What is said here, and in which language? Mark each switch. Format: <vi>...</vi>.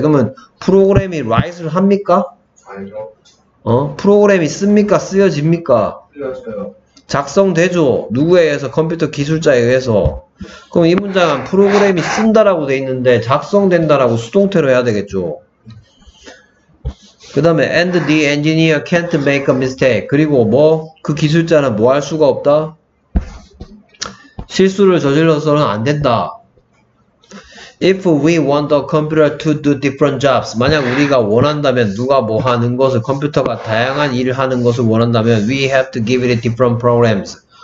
<ko>그러면 프로그램이 write을 합니까? 아니죠. 어? 프로그램이 씁니까? 쓰여집니까? 쓰여져요. 작성되죠. 누구에 의해서? 컴퓨터 기술자에 의해서. 그럼 이 문장은 프로그램이 쓴다라고 돼 있는데 작성된다라고 수동태로 해야 되겠죠. 그 다음에</ko> <en>and the engineer can't make a mistake.</en> <ko>그리고 뭐? 그 기술자는 뭐 할 수가 없다? 실수를 저질러서는 안 된다.</ko> <en>If we want the computer to do different jobs,</en> <ko>만약 우리가 원한다면 누가 뭐 하는 것을 컴퓨터가 다양한 일을 하는 것을 원한다면</ko> <en>we have to give it different programs.</en>